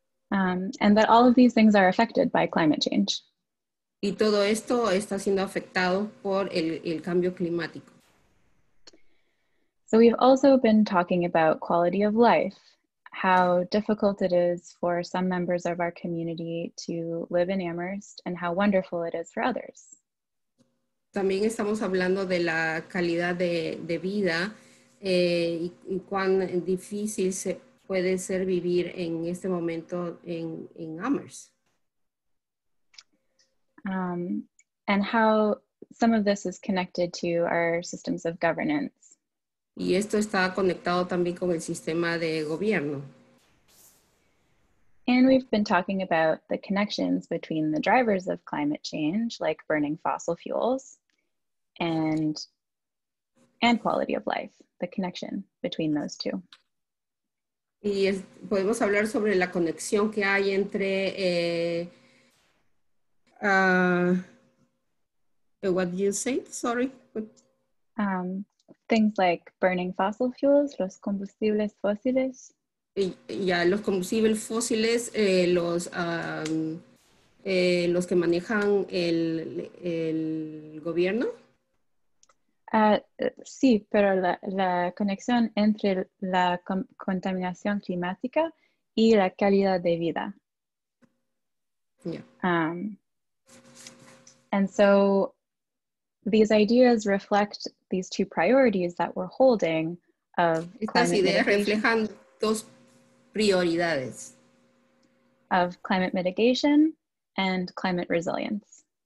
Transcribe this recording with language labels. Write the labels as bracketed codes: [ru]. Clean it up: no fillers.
[en] And that all of these things are affected by climate change. [es] Y todo esto está siendo afectado por el cambio climático. [en] So we've also been talking about quality of life, how difficult it is for some members of our community to live in Amherst, and how wonderful it is for others. [es] También estamos hablando de la calidad de vida y cuán difícil se puede ser vivir en este momento en Amherst. [en] And how some of this is connected to our systems of governance. [es] Y esto está conectado también con el sistema de gobierno. [en] And we've been talking about the connections between the drivers of climate change, like burning fossil fuels, and quality of life, the connection between those two. [es] Y es, podemos hablar sobre la conexión que hay entre [en] what do you say? Sorry. things like burning fossil fuels, [es] los combustibles fósiles. Yeah, los combustibles fósiles, los que manejan el gobierno. Sí, pero la conexión entre la contaminación climática y la calidad de vida. [en] And so these ideas reflect these two priorities that we're holding of climate mitigation and climate resilience.